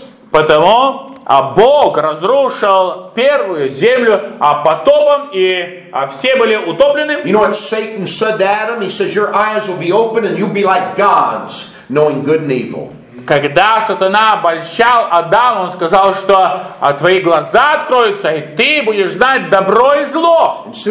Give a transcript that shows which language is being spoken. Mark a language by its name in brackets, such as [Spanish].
[Russian] Потому а Бог разрушил первую землю потопом, и все были утоплены. [English] You know what Satan said to Adam? He says, your eyes will be open and you'll be like gods, knowing good and evil. [Russian] Когда сатана обольщал Адама, он сказал, что твои глаза откроются, и ты будешь знать добро и зло.